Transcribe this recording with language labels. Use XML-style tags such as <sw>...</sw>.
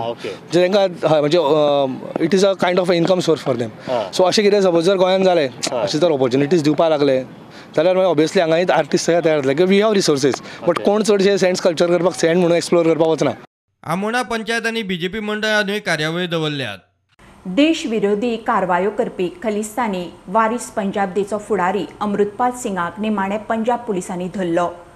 <kok>म्हणजे तेंकां हय, म्हणजे</kok> <en>It is a kind of a income source for them.</en> <kok>सो अशें कितें सपोज जर गोंयान जालें, अशें जर ऑपॉर्च्युनिटीज दिवपाक लागले जाल्यार मागीर ऑब्वियसली हांगा आर्टिस्ट सगळ्या तयार जाता.</kok> <en>we have resources, but</en> <kok>कोण चडशे</kok> <en>sand sculpture करपाक, sand म्हणून explore</en> <kok>करपाक वचना. आमोणा पंचायत आणि बीजेपी मंडळान कार्यावळी दवरल्यात. देशविरोधी कारवायो करपी खलिस्तानी वारीस पंजाबचो फुडारी अमृतपाल सिंगाक निमाणे पंजाब पुलिसांनी धरलो.</kok>